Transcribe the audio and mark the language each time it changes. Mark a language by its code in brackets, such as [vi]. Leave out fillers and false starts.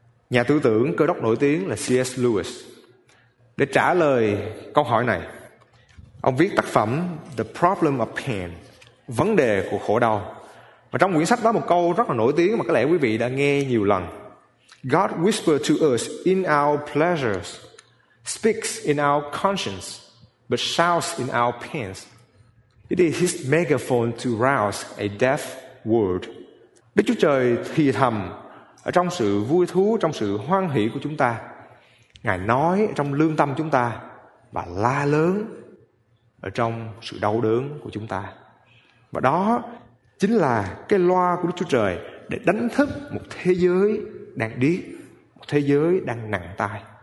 [vi] Nhà tư tưởng cơ đốc nổi tiếng là C.S. Lewis, để trả lời câu hỏi này, ông viết tác phẩm The Problem of Pain, vấn đề của khổ đau. Và trong quyển sách đó một câu rất là nổi tiếng mà có lẽ quý vị đã nghe nhiều lần: [en] God whispers to us in our pleasures, speaks in our conscience, but shouts in our pains. It is his megaphone to rouse a deaf world. [vi] Đức Chúa Trời thì thầm ở trong sự vui thú, trong sự hoan hỷ của chúng ta. Ngài nói trong lương tâm chúng ta và la lớn ở trong sự đau đớn của chúng ta. Và đó chính là cái loa của Đức Chúa Trời để đánh thức một thế giới đang điếc, một thế giới đang nặng tai.